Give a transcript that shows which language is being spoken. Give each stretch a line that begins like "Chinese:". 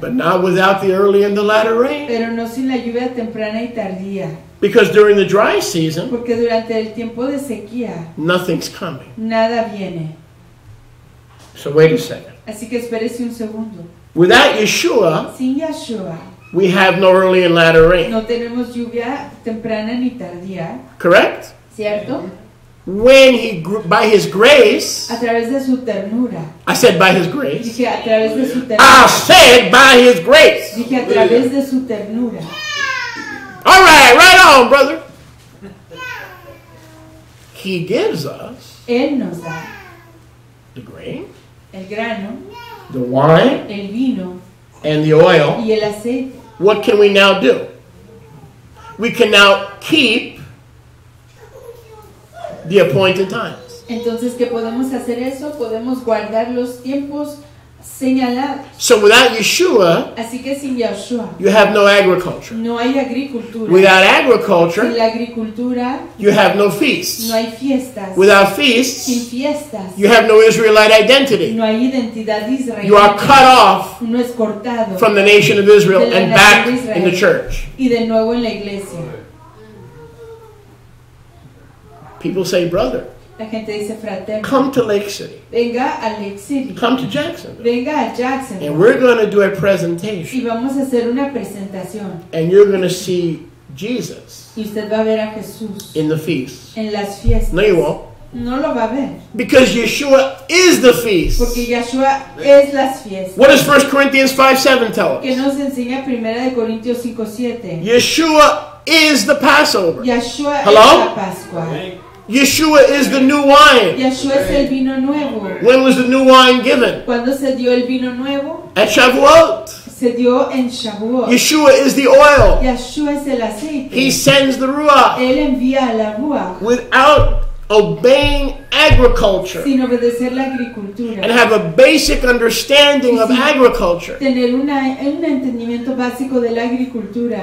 English: But not without the early and the latter rain.
Spanish: Pero no sin la lluvia temprana y tardía.
English: Because during the dry season,
Spanish: porque durante el tiempo de sequía,
English: nothing's coming.
Spanish: Nada viene.
English: So wait a second.
Spanish: Así que espérese un segundo.
English: Without Yeshua,
Spanish: sin Yeshua,
English: we have no early and latter rain.
Spanish: No tenemos lluvia temprana ni tardía.
English: Correct?
Spanish: Cierto?
English: When he, by his grace,
Spanish: a través de su ternura,
English: I said by his grace,
Spanish: dije, a través de su ternura,
English: I said by his grace,
Spanish: dije, a través de su ternura.
English: All right, right on, brother. He gives us,
Spanish: él nos da,
English: the grain,
Spanish: el grano,
English: the wine,
Spanish: el vino,
English: and the oil.
Spanish: Y el aceite.
English: What can we now do? We can now keep the appointed times.
Spanish: Entonces, ¿qué podemos hacer eso? Podemos guardar los tiempos señalados.
English: So without Yeshua,
Spanish: así que sin Yeshua,
English: you have no agriculture.
Spanish: No hay agricultura.
English: Without agriculture,
Spanish: sin la agricultura,
English: you have no feasts.
Spanish: No hay fiestas.
English: Without feasts,
Spanish: sin fiestas,
English: you have no Israelite identity.
Spanish: No hay identidad israelita.
English: You are cut off,
Spanish: no es cortado,
English: from the nation of Israel and back in the church.
Spanish: Y de nuevo en la iglesia.
English: People say, brother,
Spanish: la gente dice, fratello,
English: come to Lake City.
Spanish: Venga a Lake City.
English: Come to Jacksonville.
Spanish: Venga a Jacksonville.
English: And we're going to do a presentation.
Spanish: Y vamos a hacer una presentación.
English: And you're going to see Jesus.
Spanish: Y usted va a ver a Jesús.
English: In the feast.
Spanish: En las fiestas.
English: No, you won't.
Spanish: No lo va a ver.
English: Because Yeshua is the feast.
Spanish: Porque Yeshua es las fiestas.
English: What does 1 Corinthians 5:7 tell us?
Spanish: Que nos enseña Primera de Corintios 5:7.
English: Yeshua is the Passover.
Spanish: Yeshua
English: Hello?
Spanish: Es la Pascua. Okay.
English: Yeshua is the new wine.
Spanish: Yeshua es el vino nuevo.
English: When was the new wine given?
Spanish: ¿Cuándo se dio el vino nuevo?
English: At Shavuot.
Spanish: Se dio en Shavuot.
English: Yeshua is the oil.
Spanish: Yeshua es el aceite.
English: He sends the Ruach.
Spanish: Él envía la Ruach.
English: Without obeying agriculture.
Spanish: Sin obedecer la agricultura.
English: And have a basic understanding of agriculture.
Spanish: Tener un entendimiento básico de la agricultura.